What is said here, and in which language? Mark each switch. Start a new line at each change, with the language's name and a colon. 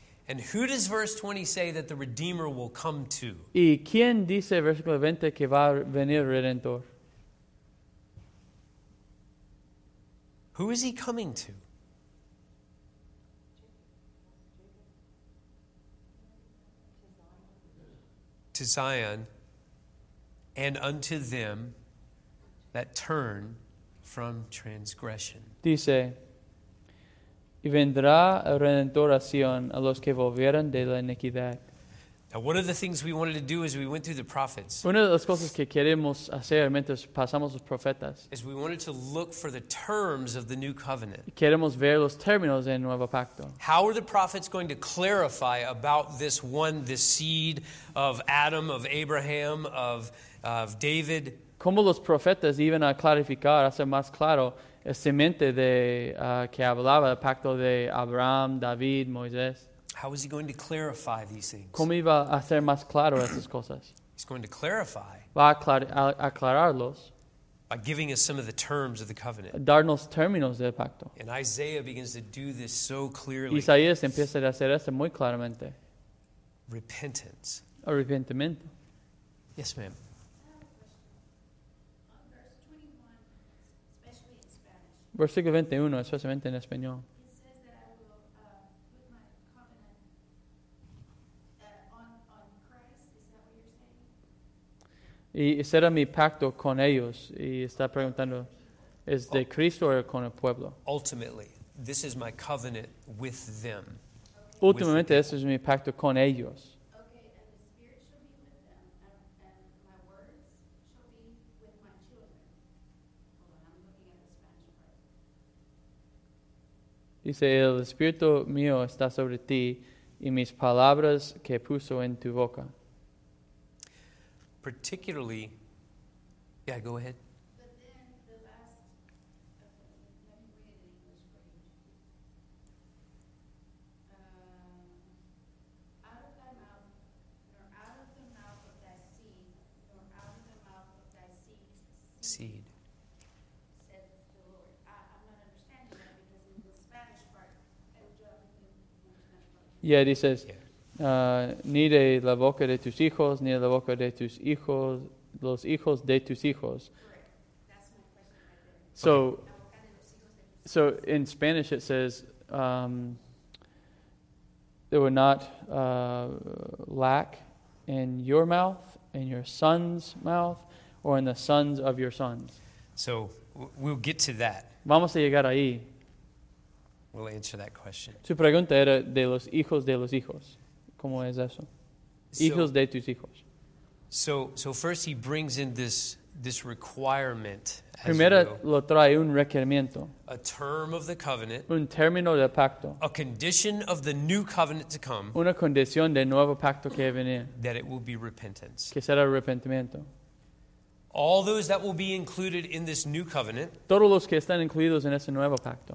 Spanish: And who does verse 20 say that the Redeemer will come to? ¿Y quién dice el versículo 20 que va a venir el Redentor?
English: Who is he coming to? To Zion, and unto them that turn from transgression.
Spanish: Dice, y vendrá el Redentor a Sion a los que volvieran de la iniquidad.
English: Now, one of the things we wanted to do as we went through the prophets.
Spanish: Una de las cosas que queremos hacer mientras pasamos los profetas.
English: Is we wanted to look for the terms of the new covenant.
Spanish: Queremos ver los términos del nuevo pacto.
English: How are the prophets going to clarify about this one, this seed of Adam, of Abraham, of David?
Spanish: ¿Cómo los profetas iban a clarificar, hacer más claro el semente de que hablaba el pacto de Abraham, David, Moisés?
English: How is he going to clarify these things?
Spanish: ¿Cómo iba a hacer más claro esas cosas?
English: He's going to clarify.
Spanish: Va a aclararlos.
English: By giving us some of the terms of the covenant.
Spanish: Darnos términos del pacto.
English: And Isaiah begins to do this so clearly.
Spanish: Isaías empieza a hacer esto muy claramente.
English: Repentance.
Spanish: Arrepentimiento.
English: Yes, ma'am.
Spanish: Versículo 21, especialmente en español.
English: It says that I will put my covenant on Christ.
Spanish: Y ese era mi pacto con ellos. Y está preguntando, ¿es de Cristo o con el pueblo?
English: Ultimately, this is my covenant with them.
Spanish: Últimamente, este es mi pacto con ellos. Dice, el Espíritu mío está sobre ti y mis palabras que puso en tu boca.
English: Particularly, yeah, go ahead. But then the last, okay, let me read it in English for you. Out of thy mouth, nor out of the mouth of thy seed, nor out of the mouth of thy seed. Seed. Yeah, he says,
Spanish: ni de la boca de tus hijos, ni de la boca de tus hijos, los hijos de tus hijos.
English: So, okay. So in Spanish it says, they will not lack in your mouth, in your son's mouth, or in the sons of your sons. So, we'll get to that.
Spanish: Vamos a llegar ahí.
English: We'll answer that question.
Spanish: Tu pregunta era de los hijos de los hijos. ¿Cómo es eso? Hijos de tus hijos.
English: So first he brings in this requirement.
Spanish: Primero lo trae un requerimiento.
English: A term of the covenant.
Spanish: Un término del pacto.
English: A condition of the new covenant to come.
Spanish: Una condición del nuevo pacto que va a venir.
English: That it will be repentance.
Spanish: Que será arrepentimiento.
English: All those that will be included in this new covenant.
Spanish: Todos los que están incluidos en ese nuevo pacto.